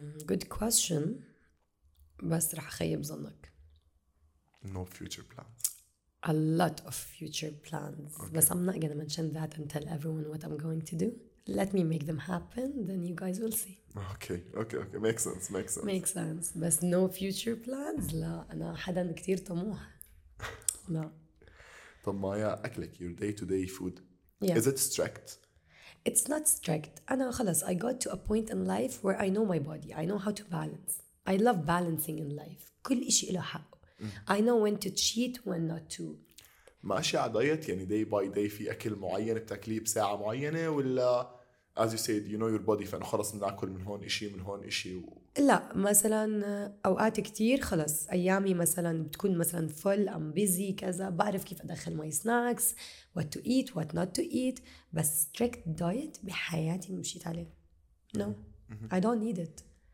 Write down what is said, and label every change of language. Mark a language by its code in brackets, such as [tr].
[en] Good question، [ar] بس رح أخيب ظنك. [en] No future plans. A lot of future plans. Okay. [ar] بس [en] I'm not gonna mention that and tell everyone what I'm going to do. Let me make them happen, then you guys will see. Okay. Makes sense. [ar] بس [en] no future plans. [ar] لا، أنا حدا كتير طموح. لا. طب مايا أكلك [en] your day to day food yeah. is it strict? It's not strict. [ar] أنا خلاص [en] I got to a point in life where I know my body. I know how to balance. I love balancing in life. [ar] كل إشي إله حق. [en] I know when to cheat, when not to. [ar] ماشي على دايت يعني [en] day by day [ar] في أكل معين بتاكليه بساعة معينة ولا [en] as you said you know your body [ar] فأنا خلاص منأكل من هون إشي من هون إشي و... لا مثلا أوقات كتير خلاص أيامي مثلا بتكون مثلا [en] full I'm busy [ar] كذا بعرف كيف أدخل [en] my snacks what to eat [ar] what not to eat بس [en] strict diet [ar] بحياتي مشيت عليه [en] no I don't need it.